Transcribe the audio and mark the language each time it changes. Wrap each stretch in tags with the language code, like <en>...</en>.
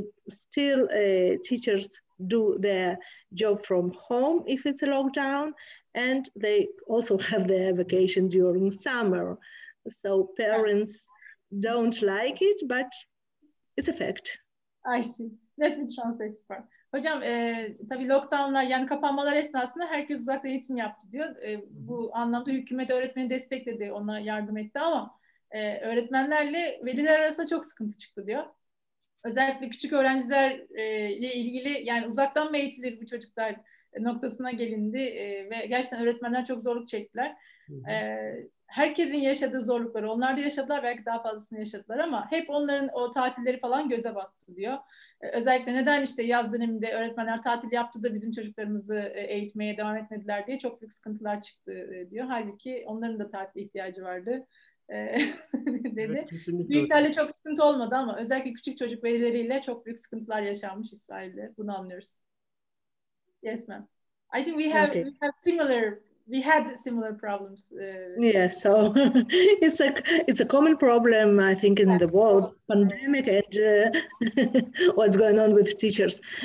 <en>Still, teachers do their job from home if it's a lockdown, and they also have their vacation during summer. So parents don't like it, but it's a fact. I see. Let me translate for.</en> <tr>Hocam, tabii lockdownlar, yani kapanmalar esnasında herkes uzaktan eğitim yaptı diyor. Bu anlamda hükümet öğretmeni destekledi, ona yardım etti, ama öğretmenlerle veliler arasında çok sıkıntı çıktı diyor. Özellikle küçük öğrencilerle ilgili, yani uzaktan mı eğitilir bu çocuklar noktasına gelindi ve gerçekten öğretmenler çok zorluk çektiler. Herkesin yaşadığı zorlukları, onlar da yaşadılar, belki daha fazlasını yaşadılar, ama hep onların o tatilleri falan göze battı diyor. Özellikle neden işte yaz döneminde öğretmenler tatil yaptı da bizim çocuklarımızı eğitmeye devam etmediler diye çok büyük sıkıntılar çıktı diyor. Halbuki onların da tatil ihtiyacı vardı dedi. Evet, büyüklerle çok sıkıntı olmadı, ama özellikle küçük çocuk velileriyle çok büyük sıkıntılar yaşanmış İsrail'de. Bunu anlıyoruz.</tr> <en>Yes, ma'am. I think we had similar problems. So it's a common problem, I think, in the world. Pandemic and what's going on with teachers.</en>